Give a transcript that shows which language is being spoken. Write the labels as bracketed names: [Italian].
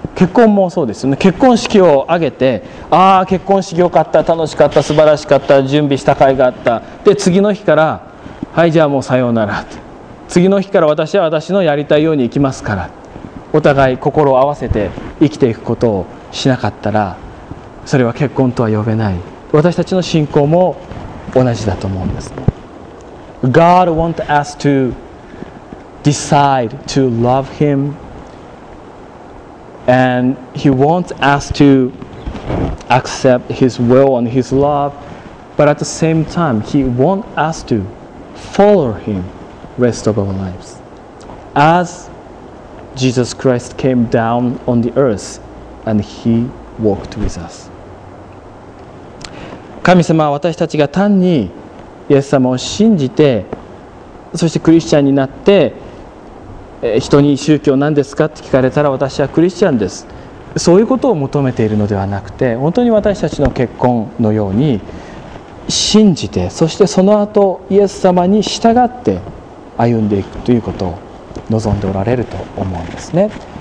[Japanese] 結婚もそうですよね。結婚式を挙げて、ああ結婚式よかった、楽しかった、素晴らしかった、準備した甲斐があった、で次の日から、はい、じゃあもうさようなら、次の日から私は私のやりたいように行きますから、お互い心を合わせて生きていくことをしなかったら、それは結婚とは呼べない。私たちの信仰も同じだと思うんです。 [English] God wants us to decide to love Him, and He wants us to accept His will and His love, but at the same time He wants us to follow Him rest of our lives. As Jesus Christ came down on the earth and He walked with us. [Japanese] 神様は私たちが単にイエス様を信じて、そしてクリスチャンになって、人に宗教何ですかって聞かれたら、私はクリスチャンです、そういうことを求めているのではなくて、本当に私たちの結婚のように信じて、そしてその後イエス様に従って歩んでいくということを望んでおられると思うんですね。